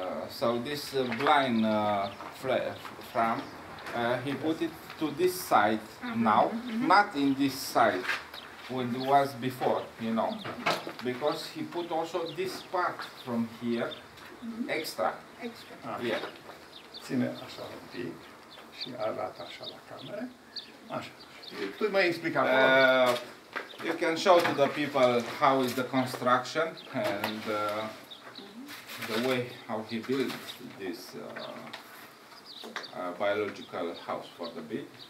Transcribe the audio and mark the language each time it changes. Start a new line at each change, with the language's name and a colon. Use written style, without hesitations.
English: So this blind ram, he put it to this side now, not in this side. When it was before, you know, because he put also this part from here, extra. Extra. Yeah.
Romanian: Ține așa un pic și arată așa la cameră. Așa. Tu mai explica.
English: You can show to the people how is the construction and the way how he built this biological house for the bee.